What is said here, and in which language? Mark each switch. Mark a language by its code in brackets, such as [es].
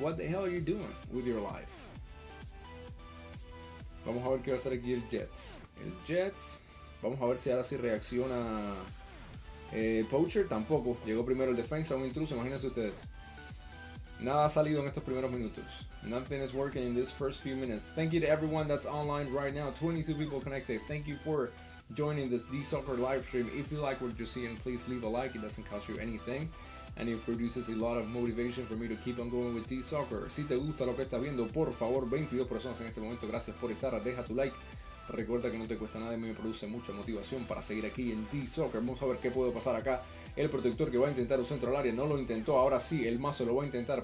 [en] What the hell are you doing with your life? [es] Vamos a ver qué va a hacer aquí el Jets. El Jets. Vamos a ver si ahora sí reacciona Poacher. Tampoco. Llegó primero el defensa, un intruso. Imagínense ustedes. Nada ha salido en estos primeros minutos. [en] Nothing is working in this first few minutes. Thank you to everyone that's online right now. 22 people connected. Thank you for joining this D-Soccer live stream. If you like what you're seeing, please leave a like. It doesn't cost you anything. And it produces a lot of motivation for me to keep on going with D-Soccer. [es] Si te gusta lo que estás viendo, por favor, 22 personas en este momento, gracias por estar, deja tu like. Recuerda que no te cuesta nada y me produce mucha motivación para seguir aquí en D-Soccer. Vamos a ver qué puede pasar acá. El protector que va a intentar un centro al área, no lo intentó. Ahora sí, el mazo lo va a intentar.